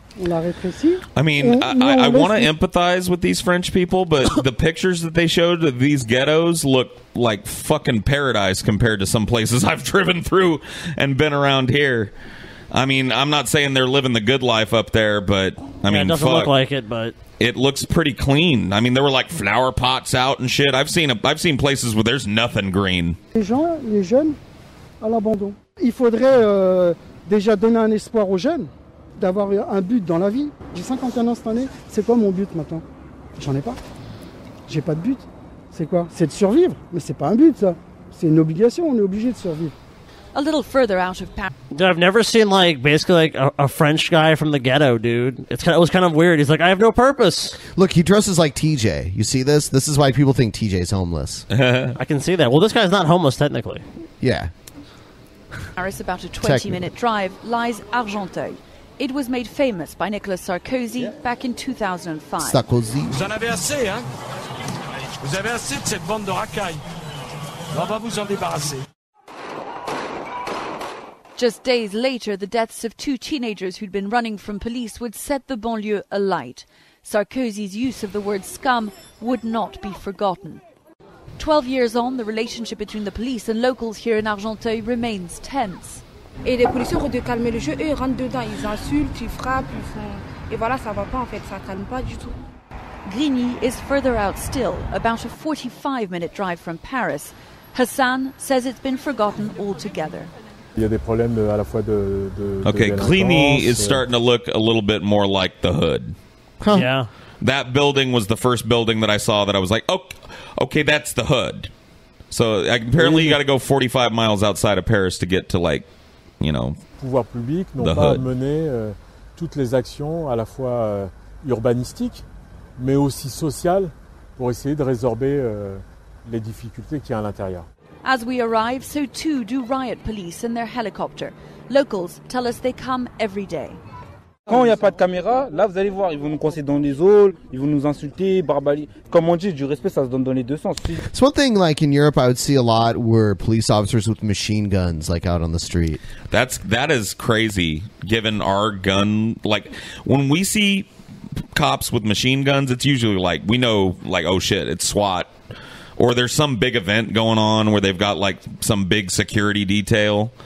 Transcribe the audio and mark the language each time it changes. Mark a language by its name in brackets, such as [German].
[English] I mean, I want to empathize with these French people, but the pictures that they showed of these ghettos look like fucking paradise compared to some places I've driven through and been around here. I mean, I'm not saying they're living the good life up there, but I mean, it doesn't look like it, but it looks pretty clean. I mean, there were like flower pots out and shit. I've seen places where there's nothing green. [French] Les gens, les jeunes, à l'abandon. Il faudrait déjà donner un espoir aux jeunes. D'avoir un but dans la vie. J'ai 51 ans cette année, c'est quoi mon but maintenant? J'en ai pas. J'ai pas de but. C'est quoi? C'est de survivre, mais c'est pas un but ça. C'est une obligation, on est obligé de survivre. [English] A little further out of Paris. Dude, I've never seen like basically like a French guy from the ghetto, dude. It was kind of weird. He's like, I have no purpose. Look, he dresses like TJ. You see this? This is why people think TJ's homeless. I can see that. Well, this guy's not homeless technically. Yeah. Paris, about a 20-minute drive, lies Argenteuil. It was made famous by Nicolas Sarkozy back in 2005. Sarkozy. Vous en avez assez, hein? Vous avez assez de cette bande de racailles. On va vous en débarrasser. Just days later, the deaths of two teenagers who'd been running from police would set the banlieue alight. Sarkozy's use of the word scum would not be forgotten. 12 years on, the relationship between the police and locals here in Argenteuil remains tense. Et les policiers ont dû calmer le jeu, eux ils rentrent dedans, ils insultent, ils frappent, ils font... Et voilà, ça va pas en fait, ça calme pas du tout. Grigny is further out still, about a 45-minute drive from Paris. Hassan says it's been forgotten altogether. [French] Il y a des problèmes à la fois de okay, de [English] Grigny is starting to look a little bit more like the hood. Huh. Yeah. That building was the first building that I saw that I was like, okay, that's the hood. So apparently you got to go 45 miles outside of Paris to get to like... You know, [French] pouvoirs publics n'ont pas mené toutes les actions à la fois urbanistiques mais aussi sociales pour essayer de résorber les difficultés qu'il y a à l'intérieur. [English] As we arrive, so too do riot police in their helicopter. Locals tell us they come every day. [French] Quand il n'y a pas de caméra, là vous allez voir, ils vont nous coincer dans les halls, ils vont nous insulter, barbarie. Comme on dit, du respect, ça se donne dans les deux sens. [English] It's one thing, like in Europe, I would see a lot were police officers with machine guns, like out on the street. That is crazy, given our gun. Like, when we see cops with machine guns, it's usually like, we know, like, oh shit, it's SWAT. Or there's some big event going on where they've got, like, some big security detail.